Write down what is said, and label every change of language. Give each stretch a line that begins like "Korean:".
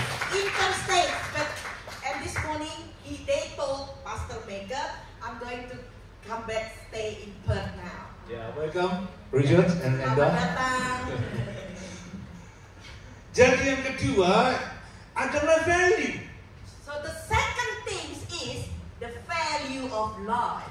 English: Interstate, but and this morning they told Pastor Mega I'm going to come back stay in Perth now. Yeah, welcome, Richard yeah. And Enda.
Indonesian: Jadi yang kedua adalah value.
English: So the second thing is the value of life.